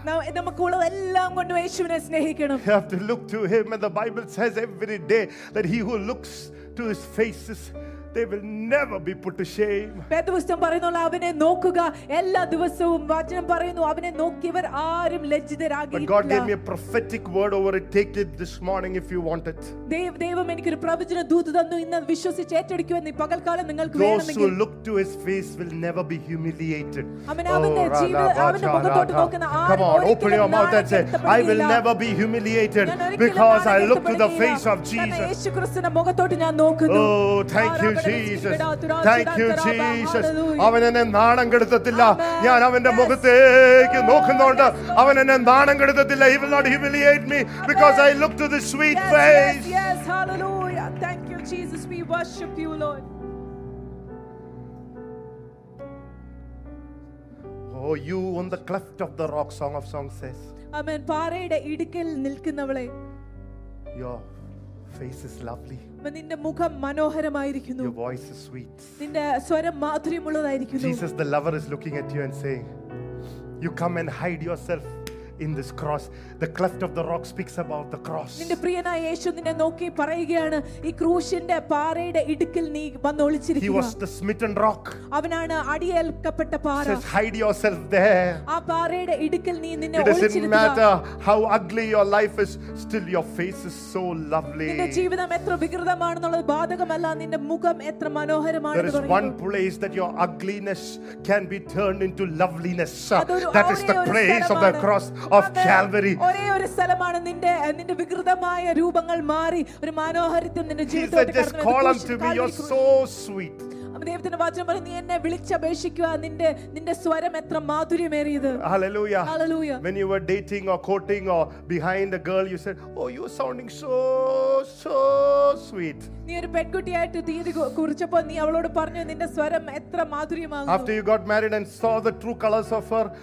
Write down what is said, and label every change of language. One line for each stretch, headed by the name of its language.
Malayalam: Now നമുക്കുള്ള എല്ലാം കൊണ്ട് യേശുവിനെ സ്നേഹിക്കണം.
English: You have to look to him and the Bible says every day that he who looks to his faces they will never be put to shame.
Malayalam: പേതുവസ്തം പറയുന്നുള്ള അവനെ നോക്കുക എല്ലാ ദിവസവും വചനം പറയുന്നു അവനെ നോക്കിയവർ ആരും ലജ്ജിതരാകയില്ല.
English: God gave me a prophetic word over it. Take it this morning if you want it.
Malayalam: ദൈവം എനിക്ക് ഒരു പ്രവചന ദൂത് തന്നു ഇന്ന് വിശ്വസിച്ച് ഏറ്റെടുക്കുമെന്ന് പകൽക്കാലം നിങ്ങൾക്ക് വേണമെങ്കിൽ.
English: Those who look to his face will never be humiliated.
Malayalam: അവനെ മുഖത്തോട്ട് നോക്കുന്ന ആരും.
English: Come on, open your mouth and say I will never be humiliated because I look to the face of Jesus.
Malayalam: യേശുക്രിസ്തുവിന്റെ മുഖത്തോട്ട് ഞാൻ നോക്കുന്നു.
English: Oh, thank you Jesus. Thank you Jesus.
Malayalam: അവനെ നാണം കെടുത്തതില്ല. ഞാൻ അവന്റെ മുഖത്തേക്ക് നോക്കുന്നുണ്ട്. അവനെ നാണം കെടുത്തതില്ല.
English: He will not humiliate me because I look to the sweet face. Yes, yes, hallelujah. Thank you Jesus. We worship you Lord. Oh you on the cleft of the rock, Song of Songs says.
Malayalam: Amen. പാറയുടെ ഇടുക്കിൽ നിൽക്കുന്നവളെ.
English: Your face is lovely.
Malayalam: നിന്റെ മുഖം മനോഹരമായിരിക്കുന്നു.
English: Your voice is sweet.
Malayalam: നിന്റെ സ്വരം മാധുര്യമുള്ളതായിരിക്കുന്നു.
English: Jesus the lover is looking at you and saying, you come and hide yourself in this cross. The cleft of the rock speaks about the cross.
Malayalam: നിന്റെ പ്രിയനായ യേശു നിന്നെ നോക്കി പറയുകയാണ് ഈ ക്രൂശിന്റെ പാറയുടെ ഇടുക്കിൽ നീ വന്നു ഒളിച്ചിരിക്കുക.
English: He was the smitten rock.
Malayalam: അവനാണ് അടിയേൽക്കപ്പെട്ട പാറ.
English: Just hide yourself there.
Malayalam: ആ പാറയുടെ ഇടുക്കിൽ നീ നിന്നെ ഒളിച്ചിരിക്കുക.
English: It doesn't matter how ugly your life is, still your face is so lovely.
Malayalam: നിന്റെ ജീവിതം എത്ര വികൃതമാണെന്നുള്ളത് ബാധകമല്ല. നിന്റെ മുഖം എത്ര മനോഹരമാണെന്ന് പറയുന്നു.
English: There is one place that your ugliness can be turned into loveliness. That is the place of the cross. Of Calvary.
Malayalam: ഒരേ ഒരു സ്ഥലമാണ് നിന്റെ നിന്റെ വികൃതമായ രൂപങ്ങൾ മാറി ഒരു മനോഹരത്വം നിന്റെ ജീവിതത്തിലേക്ക് കടന്നു. ദൈവത്തിന്റെ വചനം പറഞ്ഞു നീ എന്നെ വിളിച്ചപേക്ഷിക്കുക നിന്റെ നിന്റെ സ്വരം എത്ര മാധുര്യമേറിയത്.
English: Hallelujah. Hallelujah. When you were dating or courting or behind a girl you said, oh you sounding so so sweet.
Malayalam: നീ ഒരു പെൺകുട്ടിയായിട്ട് തീയതി കുറിച്ചപ്പോൾ നീ അവളോട് പറഞ്ഞു നിന്റെ സ്വരം എത്ര മാധുര്യമാകുന്നു.
English: After you got married and saw the true colors of her.